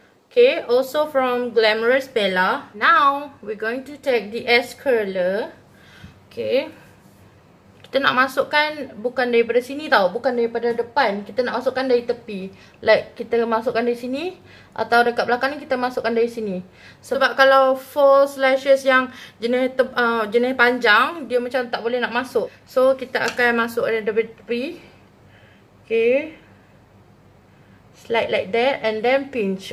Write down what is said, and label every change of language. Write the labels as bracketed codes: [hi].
[en] Okay, also from Glamorous Bella. Now we're going to take the S curler. [ms] Okay, kita nak masukkan bukan daripada sini tau, bukan daripada depan. Kita nak masukkan dari tepi. Like kita masukkan dari sini atau dekat belakang ni kita masukkan dari sini. Sebab kalau false lashes yang jenis jenis panjang, dia macam tak boleh nak masuk. So kita akan masuk dari tepi. [en] Okay, slide like that and then pinch.